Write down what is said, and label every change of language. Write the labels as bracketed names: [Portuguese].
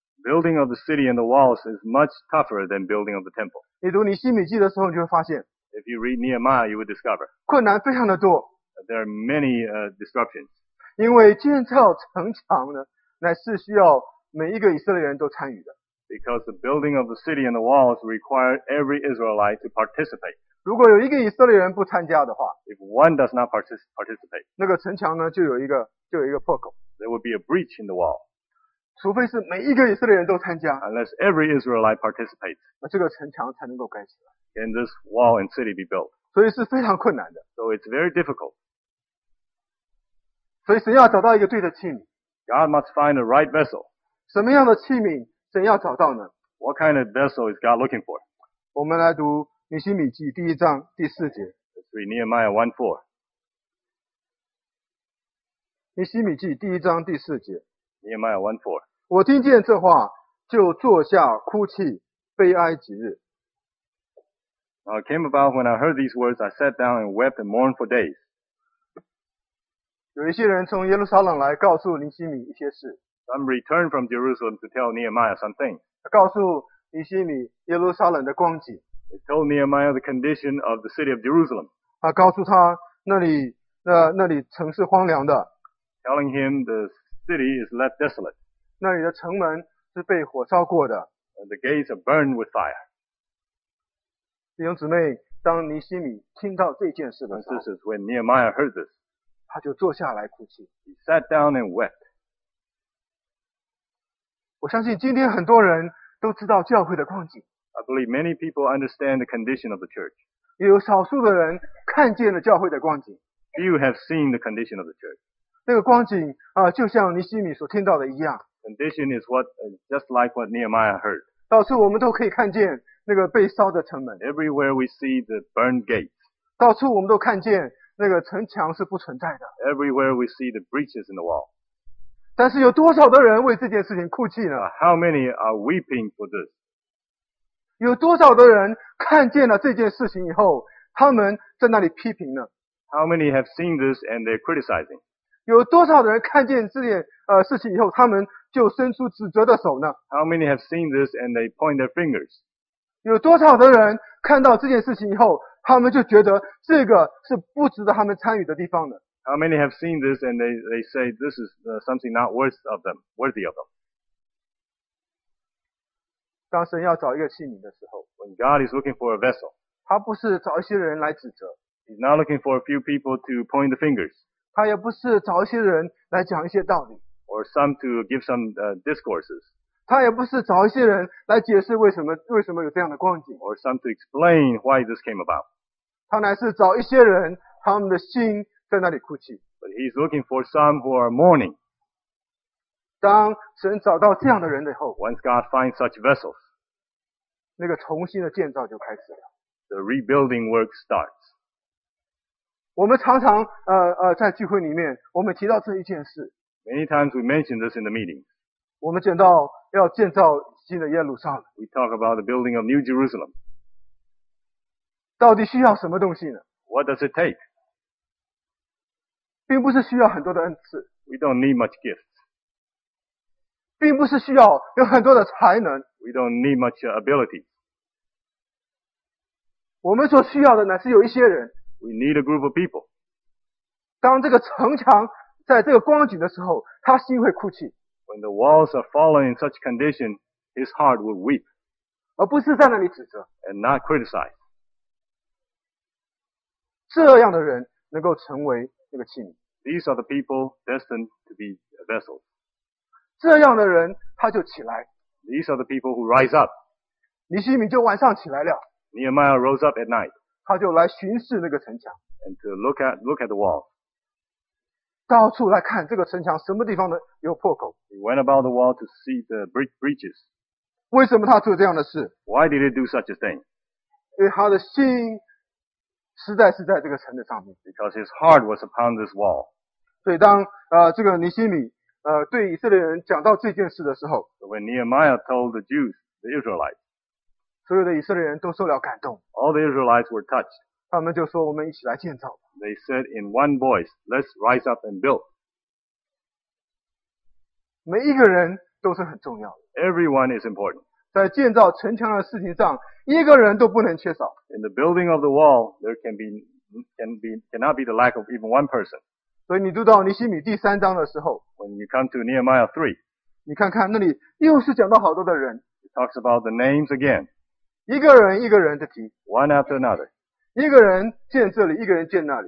[English] Building of the city and the walls is much tougher than building of the temple. [Chinese] 你读尼希米记的时候你就会发现, [English] if you read Nehemiah, you would discover [Chinese] 困难非常的多。 [English] There are many disruptions. [Chinese] 因为建造城墙呢乃是需要每一个以色列人都参与的。 [English] Because the building of the city and the walls required every Israelite to participate. [Chinese] 如果有一个以色列人不参加的话, [English] if one does not participate, [Chinese] 那个城墙呢, 就有一个破口, [English] there would be a breach in the wall. [Chinese] 除非是每一个以色列人都参加, [English] unless every Israelite participates, [Chinese] 那这个城墙才能够盖起来, [English] can this wall and city be built. [Chinese] 所以是非常困难的, [English] so it's very difficult. [Chinese] 所以神要找到一个对的器皿, [English] God must find the right vessel. [Chinese] 什么样的器皿?神要找到呢? [English] What kind of vessel is God looking for? [Chinese] 我们来读尼希米记第一章第四节。 [English] Let's read Nehemiah 1:4. [Chinese] 尼希米记第一章第四节。 [English] Nehemiah 1:4. [Chinese] 我听见这话，就坐下哭泣，悲哀几日。 [English] It came about when I heard these words, I sat down and wept and mourned for days. [Chinese] 有一些人从耶路撒冷来告诉尼希米一些事。 [English] Some returned from Jerusalem to tell Nehemiah something. [Chinese] 告诉尼希米耶路撒冷的光景。 [English] They told Nehemiah the condition of the city of Jerusalem. [Chinese] 告诉他那里城是荒凉的。 [English] Telling him the city is left desolate. [Chinese] 那里的城门是被火烧过的。 [English] And the gates are burned with fire. [Chinese] 弟兄姊妹，当尼希米听到这件事的时候 [English] when Nehemiah heard this, [Chinese] 他就坐下来哭泣。 [English] He sat down and wept. [Chinese] 我相信今天很多人都知道教会的光景。 [English] I believe many people understand the condition of the church. [Chinese] 也有少数的人看见了教会的光景。 [English] Few have seen the condition of the church. [Chinese] 那个光景，就像尼希米所听到的一样。 [English] Condition is what, just like what Nehemiah heard. [Chinese] 到处我们都可以看见那个被烧的城门。 [English] Everywhere we see the burned gates. [Chinese] 到处我们都看见那个城墙是不存在的。 [English] Everywhere we see the breaches in the wall. [Chinese] 但是有多少的人为这件事情哭泣呢？ [English] How many are weeping for this? [Chinese] 有多少的人看见了这件事情以后，他们在那里批评呢？ [English] How many have seen this and they're criticizing? [Chinese] 有多少的人看见这件事情以后，他们就伸出指责的手呢？ [English] How many have seen this and they point their fingers? [Chinese] 有多少的人看到这件事情以后，他们就觉得这个是不值得他们参与的地方呢？ [English] How many have seen this and they say this is something not worth of them, worthy of them? [Chinese] 当神要找一个器皿的时候， [English] When God is looking for a vessel, [Chinese] 他不是找一些人来指责， [English] He's not looking for a few people to point the fingers, [Chinese] 他也不是找一些人来讲一些道理， [English] or some to give some discourses. [Chinese] 他也不是找一些人来解释为什么有这样的光景。 [English] Or some to explain why this came about. [Chinese] 他乃是找一些人，他们的心在那里哭泣。 [English] But he's looking for some who are mourning. [Chinese] 当神找到这样的人以后 [English] ，Once God finds such vessels, [Chinese] 那个重新的建造就开始了。 [English] The rebuilding work starts. [Chinese] 我们常常在聚会里面，我们提到这一件事。 [English] Many times we mention this in the meeting. [Chinese] 我们讲到要建造新的耶路撒冷。 [English] We talk about the building of New Jerusalem. [Chinese] 到底需要什么东西呢？ [English] What does it take? [Chinese] 并不是需要很多的恩赐。 [English] We don't need much gifts. [Chinese] 并不是需要有很多的才能。 [English] We don't need much ability. [Chinese] 我们所需要的乃是有一些人。 [English] We need a group of people. [Chinese] 当这个城墙在这个光景的时候，他心会哭泣。 [English] When the walls are fallen in such condition, his heart will weep. [Chinese] 而不是在那里指责。 [English] And not criticize. [Chinese] 这样的人能够成为那个器皿。 [English] These are the people destined to be a vessel. [Chinese] 这样的人他就起来。 [English] These are the people who rise up. [Chinese] 尼希米就晚上起来了。 [English] Nehemiah rose up at night. [Chinese] 他就来巡视那个城墙。 [English] And to look at the wall. [Chinese] 到处来看这个城墙什么地方的有破口。 [English] He went about the wall to see the breaches. [Chinese] 为什么他做这样的事？ [English] Why did he do such a thing? [Chinese] 因为他的心实在是在这个城的上面。 [English] Because his heart was upon this wall. [Chinese] 所以当这个尼希米对以色列人讲到这件事的时候， [English] So when Nehemiah told the Jews, the Israelites, [Chinese] 所有的以色列人都受了感动。 [English] All the Israelites were touched. [Chinese] 他们就说我们一起来建造。 [English] They said in one voice, let's rise up and build. [Chinese] 每一个人都是很重要的。 [English] Everyone is important. [Chinese] 在建造城墙的事情上一个人都不能缺少。 [English] In the building of the wall, there cannot be the lack of even one person. [Chinese] 所以你读到尼希米第三章的时候 [English] When you come to Nehemiah 3, [Chinese] 你看看那里又是讲到好多的人。 [English] It talks about the names again. [Chinese] 一个人一个人的提。 [English] One after another. [Chinese] 一个人建这里，一个人建那里。